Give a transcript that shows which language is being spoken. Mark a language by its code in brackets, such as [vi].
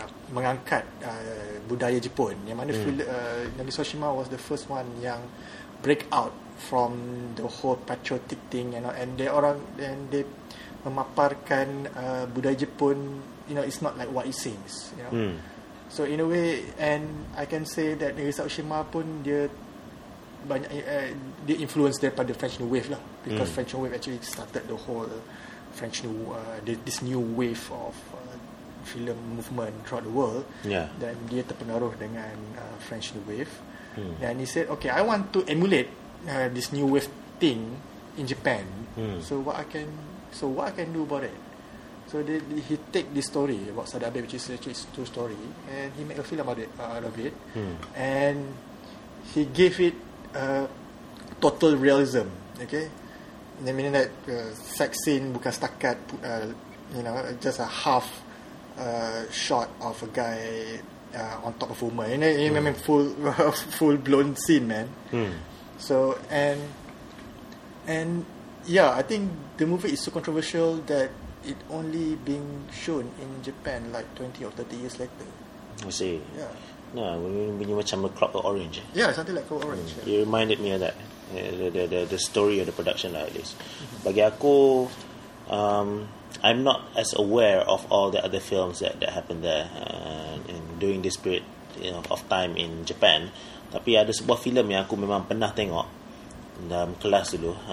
[ms] mengangkat budaya Jepun, yang mana [en] Nagi Soshima was the first one yang break out from the whole patriotic thing, you know, and they [ms] memaparkan budaya Jepun, [en] you know, it's not like what it seems, you know. So in a way, and I can say that Nagi Soshima [ms] pun dia banyak dia [en] influence daripada French New Wave lah, because French New Wave actually started the whole French New this new wave of film movement throughout the world. [ms] Dan dia terpengaruh dengan French New Wave. [en] And he said, okay, I want to emulate this new wave thing in Japan. So what I can do about it? So he take this story about Sadabe, which is actually a true story, and he make a film about it out of it. And he gave it total realism, okay? In the meaning that sex scene [ms] bukan setakat [en] just a half shot of a guy on top of a woman. And I mean full blown scene, man. So and yeah, I think the movie is so controversial that it only being shown in Japan like 20 or 30 years later. I see. When you watch Clockwork Orange. Yeah, something like Clockwork Orange. It reminded me of that. The story of the production, like this. [ms] Bagi aku, [en] I'm not as aware of all the other films that happened there and during this period, you know, of time in Japan. [ms] Tapi ada sebuah film yang aku memang pernah tengok dalam kelas dulu.